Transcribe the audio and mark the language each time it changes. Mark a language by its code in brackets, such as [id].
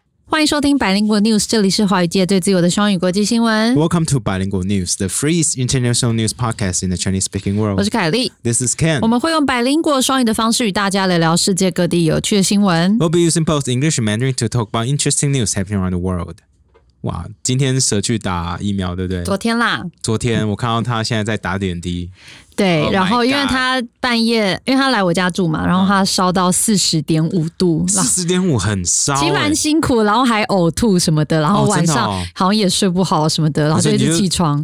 [zh] 欢迎收听百灵果 news， 这里是华语界最自由的双语国际新闻。 [en] Welcome to 百灵果 news， the freest international news podcast in the Chinese speaking world。 [zh] 我是凯莉 [en] ，This is Ken。 [zh] 我们会用百灵果双语的方式与大家聊聊世界各地有趣的新闻。 [en] We'll be using both English and Mandarin to talk about interesting news happening around the world。 [zh] 哇，今天蛇去打疫苗，对不对？昨天啦，昨天我看到他现在在打点滴。对、oh ，然后因为他半夜，因为他来我家住嘛，然后他烧到40.5度， 40.5很烧、欸，其实蛮辛苦，然后还呕吐什么的，然后晚上好像也睡不好什么的，然后就一直起床。